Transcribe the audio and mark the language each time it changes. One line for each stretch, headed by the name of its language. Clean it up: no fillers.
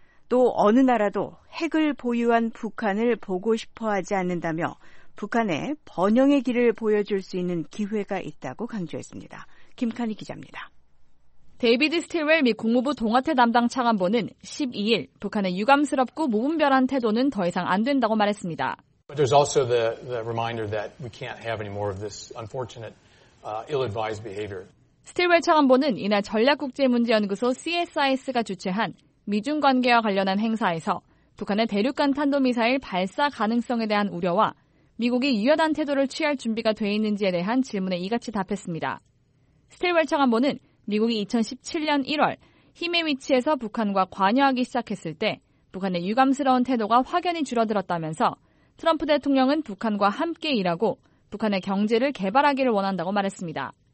Korean: 또 어느 나라도 핵을 보유한 북한을 보고 싶어하지 않는다며 북한의 번영의 길을 보여줄 수 있는 기회가 있다고 강조했습니다. 김카니 기자입니다. 데이비드 스틸웰 미 국무부 동아태 담당 차관보는 12일 북한의 유감스럽고 무분별한 태도는 더 이상 안 된다고 말했습니다.
English: There's also the reminder that we can't have any more of this unfortunate, ill-advised behavior.
Korean: 스틸웰 차관보는 이날 전략국제문제연구소 CSIS가 주최한 미중관계와 관련한 행사에서 북한의 대륙간 탄도미사일 발사 가능성에 대한 우려와 미국이 유연한 태도를 취할 준비가 돼 있는지에 대한 질문에 이같이 답했습니다. 스틸웰 차관보는 미국이 2017년 1월 힘의 위치에서 북한과 관여하기 시작했을 때 북한의 유감스러운 태도가 확연히 줄어들었다면서 트럼프 대통령은 북한과 함께 일하고 북한의 경제를 개발하기를 원한다고 말했습니다.